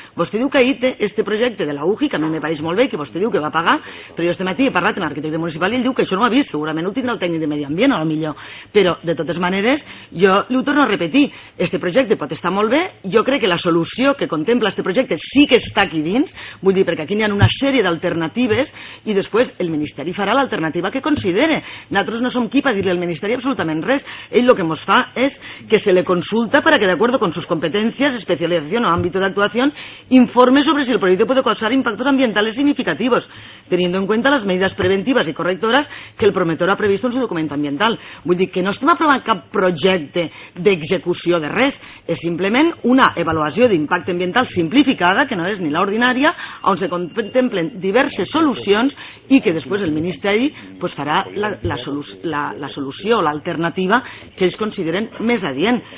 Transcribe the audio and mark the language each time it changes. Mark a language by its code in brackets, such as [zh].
[ca] Vostè diu que ahir té este projecte de la UGI, que a mi me pareix molt bé, que vostè diu que va pagar, però jo este matí he parlat amb l'arquitecte municipal i ell diu que això no ho ha vist, segurament ho tindrà el tècnic de Medi Ambient, a lo millor. Però, de totes maneres, jo li ho torno a repetir, este projecte pot estar molt bé, jo crec que la solució que contempla este projecte sí que està aquí dins, vull dir, perquè aquí hi ha una sèrie d'alternatives i després el Ministeri farà l'alternativa que considere. Nosaltres no som qui per dir-li al Ministeri absolutament res, ell el que ens fa és que [es] se le consulta per a que de acuerdo con sus competencias, especialización o ámbito de actuación, informe sobre si el proyecto puede causar impactos ambientales significativos, teniendo en cuenta las medidas preventivas y correctoras que el promotor ha previsto en su documento ambiental. [ca] Vull dir que no estem aprovant cap projecte d'execució de res, és simplement una avaluació d'impacte ambiental simplificada, que no és ni l'ordinària, on se contemplen diverses solucions i que després el Ministeri pues, farà la solució o l'alternativa que ells consideren més adient.